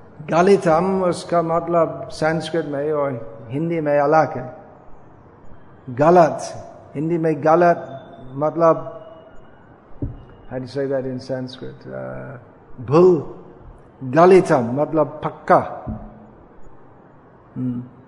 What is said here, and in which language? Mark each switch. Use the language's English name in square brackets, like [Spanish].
[Hindi] गलितम् उसका मतलब संस्कृत में और हिंदी में अलग है। Galat. हिंदी में गलत मतलब, [English] how do you say that in Sanskrit? [Hindi] Bhul. गलितम् मतलब पक्का।